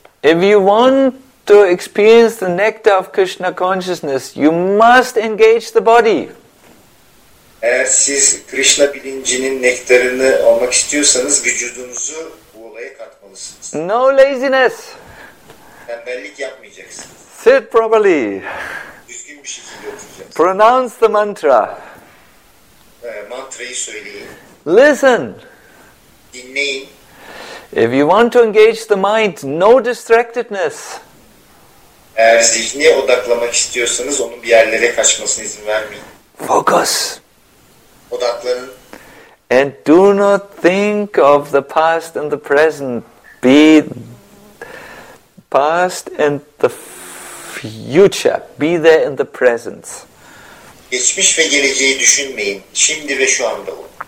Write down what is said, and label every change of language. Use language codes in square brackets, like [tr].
[en] If you want to experience the nectar of Krishna consciousness, you must engage the body. [tr] Eğer siz Krishna bilincinin nektarını almak istiyorsanız vücudunuzu bu olaya katmalısınız. [en] No laziness. [tr] Tembellik yapmayacaksınız. [en] Sit properly. [tr] Düzgün bir şekilde oturacaksınız. [en] Pronounce the mantra. [tr] Mantrayı söyleyin. [en] Listen. [tr] Dinleyin. [en] If you want to engage the mind, no distractedness. [tr] Eğer zihni odaklamak istiyorsanız onun bir yerlere kaçmasına izin vermeyin. [en] Focus. [tr] Odaklanın. [en] And do not think of the past and the present. Be past and the future. Be there in the present. [tr] Geçmiş ve geleceği düşünmeyin. Şimdi ve şu anda olun.